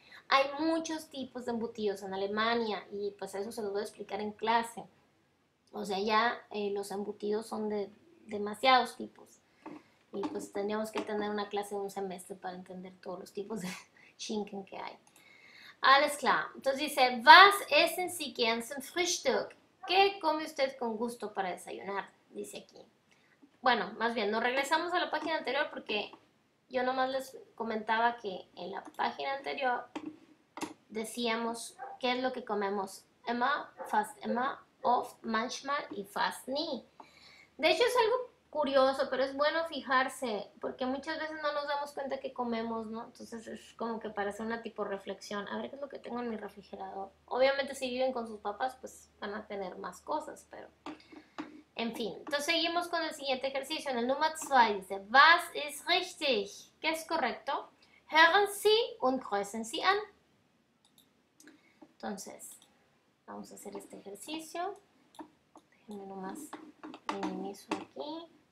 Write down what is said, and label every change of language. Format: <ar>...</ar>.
<es>Hay muchos tipos de embutidos en Alemania y pues eso se los voy a explicar en clase. O sea, ya los embutidos son de demasiados tipos. Y pues tendríamos que tener una clase de un semestre para entender todos los tipos de Schinken que hay.</es> <de>Alles klar.</de> <es>Entonces dice,</es> <de>was essen Sie gern zum Frühstück?</de> <es>¿Qué come usted con gusto para desayunar? Dice aquí. Bueno, más bien, nos regresamos a la página anterior porque yo nomás les comentaba que en la página anterior decíamos qué es lo que comemos.</es> <de>Immer, fast immer, oft, manchmal y fast nie.</de> <es>De hecho es algo curioso, pero es bueno fijarse porque muchas veces no nos damos cuenta que comemos, ¿no? Entonces es como que para hacer una tipo reflexión. A ver qué es lo que tengo en mi refrigerador. Obviamente si viven con sus papás, pues van a tener más cosas, pero en fin, entonces seguimos con el siguiente ejercicio. En el número 2 dice,</es> <de>was is richtig?</de> <es>¿Qué es correcto?</es> <de>Hören Sie und grüßen Sie an.</de> <es>Entonces, vamos a hacer este ejercicio. Déjenme nomás minimizo aquí.</es>